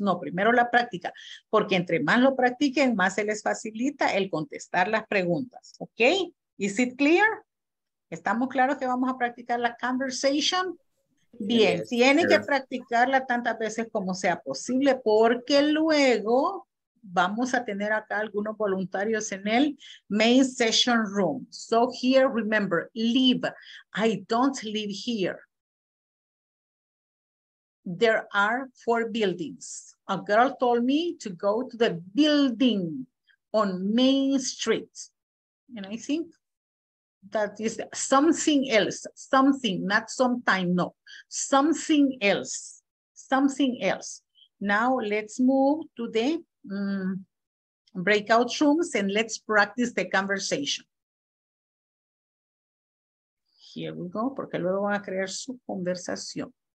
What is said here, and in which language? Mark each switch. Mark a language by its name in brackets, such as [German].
[Spanish] No, primero la práctica, porque entre más lo practiquen, más se les facilita el contestar las preguntas. ¿Ok? [English] ¿Is it clear? [Spanish] ¿Estamos claros que vamos a practicar la conversación? Bien, sí, tiene sí. Que practicarla tantas veces como sea posible porque luego vamos a tener acá algunos voluntarios en el main session room. [English] So here, remember, live. I don't live here. there are 4 buildings. A girl told me to go to the building on Main Street. And I think that is something else, something, not sometime, no. Something else, something else. Now let's move to the breakout rooms and let's practice the conversation. Here we go, [Spanish] porque luego van a crear su conversación.